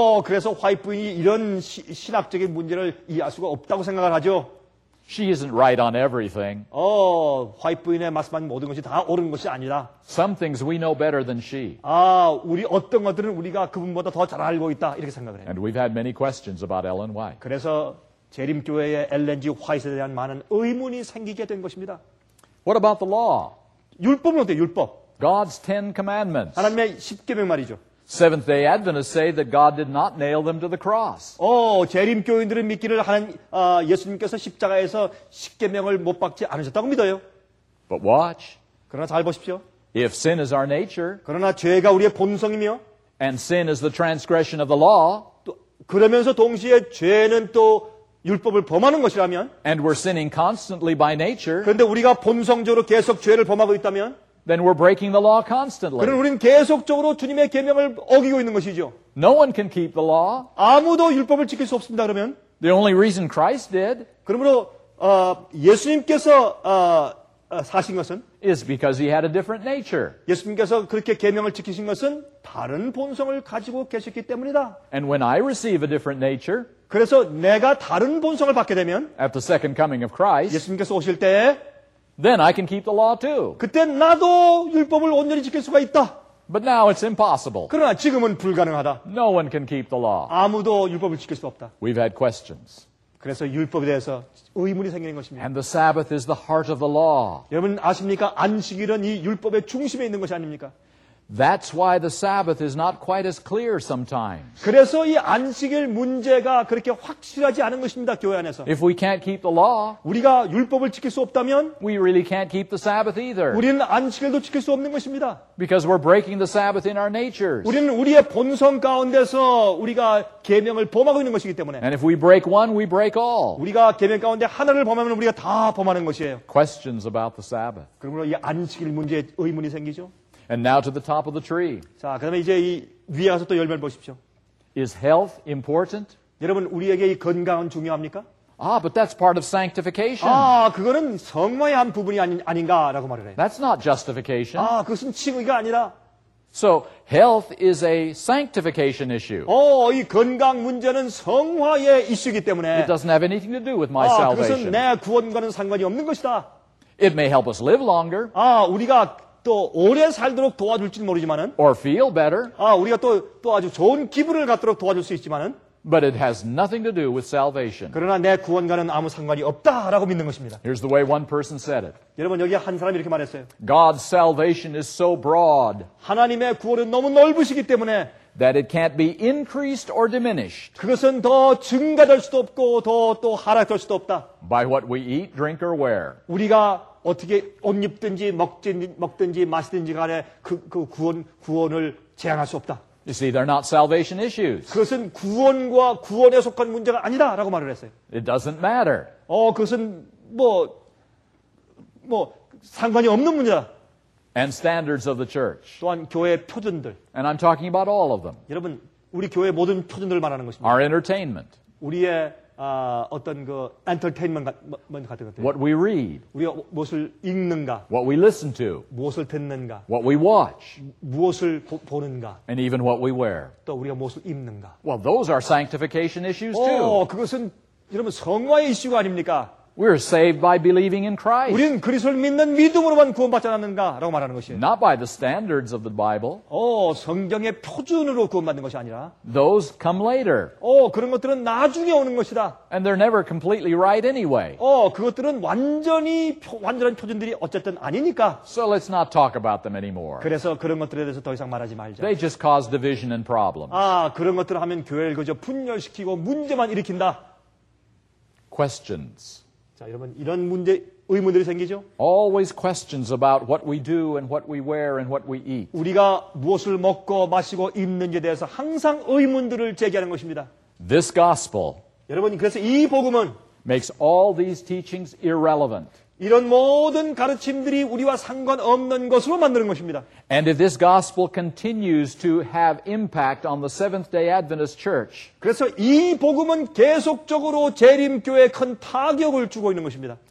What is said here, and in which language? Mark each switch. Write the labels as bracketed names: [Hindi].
[Korean] 그래서 화이트 부인이 이런 신학적인 문제를 이해할 수가 없다고 생각을 하죠. [English] She isn't right on everything. [Korean] 화이트 부인의 말씀한 모든 것이 다 옳은 것이 아니다. [English] Some things we know better than she. [Korean] 우리 어떤 것들은 우리가 그분보다 더 잘 알고 있다 이렇게 생각을 해요. [English] And we've had many questions about Ellen White. [Korean] 그래서 재림교회의 LNG 화이트에 대한 많은 의문이 생기게 된 것입니다. [English] What about the law? [Korean] 율법은 어때요? 율법. [English] God's Ten Commandments. [Korean] 하나님의 십계명 말이죠. [English] Seventh-day Adventists say that God did not nail them to the cross. [Korean] 오, 재림교인들은 믿기를 하나님, 예수님께서 십자가에서 십계명을 못 박지 않으셨다고 믿어요. [English] But watch. [Korean] 그러나 잘 보십시오. [English] If sin is our nature. [Korean] 그러나 죄가 우리의 본성이며. [English] And sin is the transgression of the law. [Korean] 또, 그러면서 동시에 죄는 또 율법을 범하는 것이라면. [English] And we're sinning constantly by nature. [Korean] 그런데 우리가 본성적으로 계속 죄를 범하고 있다면. [English] Then we're breaking the law constantly. [Korean] 그럼 우리는 계속적으로 주님의 계명을 어기고 있는 것이죠. [English] No one can keep the law. [Korean] 아무도 율법을 지킬 수 없습니다. 그러면 [English] the only reason Christ did. [Korean] 그러므로 예수님께서 사신 것은 [English] is because he had a different nature. [Korean] 예수님께서 그렇게 계명을 지키신 것은 다른 본성을 가지고 계셨기 때문이다. [English] And when I receive a different nature. [Korean] 그래서 내가 다른 본성을 받게 되면 [English] at the second coming of Christ. [Korean] 예수님께서 오실 때에 [English] Then I can keep the law too. [Korean] 그때 나도 율법을 온전히 지킬 수가 있다. [English] But now it's impossible. [Korean] 그러나 지금은 불가능하다. [English] No one can keep the law. [Korean] 아무도 율법을 지킬 수 없다. [English] We've had questions. [Korean] 그래서 율법에 대해서 의문이 생기는 것입니다. [English] And the Sabbath is the heart of the law. [Korean] 여러분 아십니까? 안식일은 이 율법의 중심에 있는 것이 아닙니까? [English] That's why the Sabbath is not quite as clear sometimes. [Korean] 그래서 이 안식일 문제가 그렇게 확실하지 않은 것입니다, 교회 안에서. [English] If we can't keep the law, [Korean] 우리가 율법을 지킬 수 없다면, [English] we really can't keep the Sabbath either. [Korean] 우리는 안식일도 지킬 수 없는 것입니다. [English] Because we're breaking the Sabbath in our natures. [Korean] 우리는 우리의 본성 가운데서 우리가 계명을 범하고 있는 것이기 때문에. [English] And if we break one, we break all. [Korean] 우리가 계명 가운데 하나를 범하면 우리가 다 범하는 것이에요. [English] Questions about the Sabbath. [Korean] 그러므로 이 안식일 문제에 의문이 생기죠. [English] And now to the top of the tree. [Korean] 자, 그다음에 이제 이 위에 가서 또 열매를 보십시오. [English] Is health important? [Korean] 여러분, 우리에게 이 건강은 중요합니까? [English] Ah, but that's part of sanctification. [Korean] 아, 그거는 성화의 한 부분이 아닌가라고 말을 해요. [English] That's not justification. [Korean] 아, 그것은 칭의가 아니라. [English] So, health is a sanctification issue. [Korean] 오, 이 건강 문제는 성화의 이슈이기 때문에. [English] It doesn't have anything to do with my salvation. [Korean] 아, 그것은 내 구원과는 상관이 없는 것이다. [English] It may help us live longer. [Korean] 아, 우리가 또 오래 살도록 도와줄지는 모르지만은 [English] or feel better [Korean] 아 우리가 또 아주 좋은 기분을 갖도록 도와줄 수 있지만은 [English] but it has nothing to do with salvation [Korean] 그러나 내 구원과는 아무 상관이 없다라고 믿는 것입니다. [English] Here's the way one person said it. [Korean] 여러분 여기 한 사람이 이렇게 말했어요. [English] God's salvation is so broad. [Korean] 하나님의 구원은 너무 넓으시기 때문에 [English] that it can't be increased or diminished. [Korean] 그것은 더 증가될 수도 없고 더 또 하락될 수도 없다. [English] By what we eat, drink or wear. [Korean] 우리가 어떻게 옷 입든지 먹든지 마시든지 간에 그 구원을 제한할 수 없다. [English] You see, they're not salvation issues. [Korean] 그것은 구원과 구원에 속한 문제가 아니다라고 말을 했어요. [English] It doesn't matter. [Korean] 그것은 뭐 상관이 없는 문제다. [English] And standards of the church. [Korean] 또한 교회의 표준들. [English] And I'm talking about all of them. [Korean] 여러분, 우리 교회의 모든 표준들을 말하는 것입니다. [English] Our entertainment. [Korean] 우리의 어떤 그 엔터테인먼트 같은 것들. [English] What we read. [Korean] 우리가 무엇을 읽는가. [English] What we listen to. [Korean] 무엇을 듣는가. [English] What we watch. [Korean] 무엇을 보는가. [English] And even what we wear. [Korean] 또 우리가 무엇을 입는가. [English] Well, those are sanctification issues too. [Korean] 그것은 여러분 성화의 이슈가 아닙니까? [English] We are saved by believing in Christ. [Korean] 우리는 그리스도를 믿는 믿음으로만 구원받지 않았는가라고 말하는 것이에요. [English] Not by the standards of the Bible. [Korean] 성경의 표준으로 구원받는 것이 아니라. [English] Those come later. [Korean] 그런 것들은 나중에 오는 것이다. [English] And they're never completely right anyway. [Korean] 그것들은 완전한 표준들이 어쨌든 아니니까. [English] So let's not talk about them anymore. [Korean] 그래서 그런 것들에 대해서 더 이상 말하지 말자. [English] They just cause division and problems. [Korean] 그런 것들을 하면 교회를 그저 분열시키고 문제만 일으킨다. [English] Questions. [Korean] 자, 여러분 이런 문제 의문들이 생기죠. [English] Always questions about what we do and what we wear and what we eat. [Korean] 우리가 무엇을 먹고 마시고 입는지에 대해서 항상 의문들을 제기하는 것입니다. [English] This gospel. [Korean] 여러분 그래서 이 복음은 [English] makes all these teachings irrelevant. [Korean] 이런 모든 가르침들이 우리와 상관없는 것으로 만드는 것입니다. [English] And if this gospel continues to have impact on the Seventh-day Adventist Church, [Korean] 그래서 이 복음은 계속적으로 재림교회에 큰 타격을 주고 있는 것입니다.